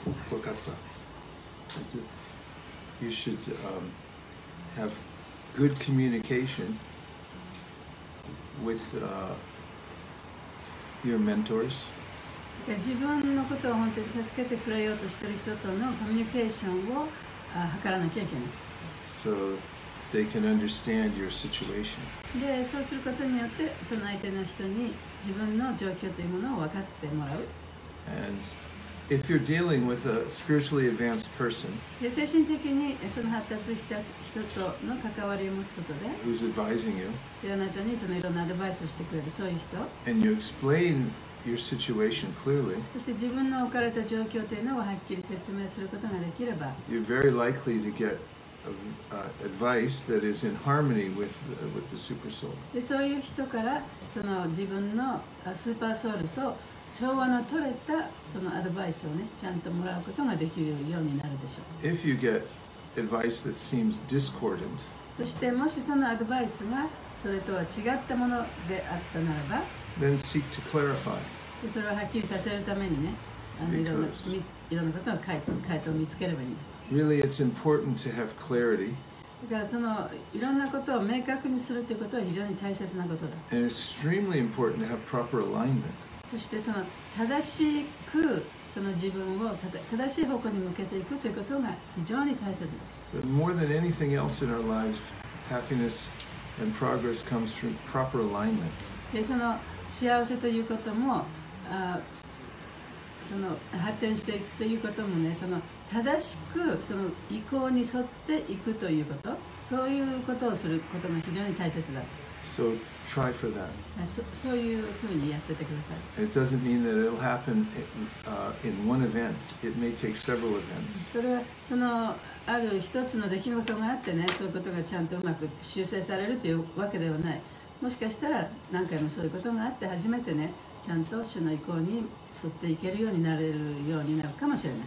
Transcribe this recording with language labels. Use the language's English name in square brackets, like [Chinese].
[Japanese] Wakatta [English] you should have good communication with your mentors [Japanese] 自分のことを本当に助けてくれようとしている人とのコミュニケーションを図らなきゃいけない [English] so they can understand your situation [Japanese] でそうすることによってその相手の人に自分の状況というものを分かってもらう [English] and if you're dealing with a spiritually advanced person [Japanese] 精神的にその発達した人との関わりを持つことで [English] who's advising you [Japanese] あなたにそのいろんなアドバイスをしてくれるそういう人 [English] and you explainyour situation clearly [Japanese] そして自分の置かれた状況というのをはっきり説明することができれば [English] you're very likely to get advice that is in harmony with the super soul [Japanese] でそういう人からその自分のスーパーソウルと調和の取れたそのアドバイスをねちゃんともらうことができるようになるでしょう [English] if you get advice that seems discordant [Japanese] そしてもしそのアドバイスがそれとは違ったものであったならば [English] Then seek to clarify. [Japanese] それをはっきりさせるためにね、いろんなことの回答を見つければいい。 [English] Really, it's important to have clarity. [Japanese] だからそのいろんなことを明確にするということは非常に大切なことだ。 [English] And extremely important to have proper alignment. [Japanese] そしてその正しくその自分を正しい方向に向けていくということが非常に大切だ。 [English] But more than anything else in our lives, happiness and progress comes through proper alignment. [Japanese] でその幸せということもその発展していくということもねその正しくその意向に沿っていくということそういうことをすることが非常に大切だ [English] so, try for that. [Japanese] そういうふうにやっててください [English] It doesn't mean that it'll happen in one event. It may take several events. [Japanese] それはそのある一つの出来事があってねそういうことがちゃんとうまく修正されるというわけではないもしかしたら何回もそういうことがあって初めてねちゃんと主の意向に沿っていけるようになれるようになるかもしれない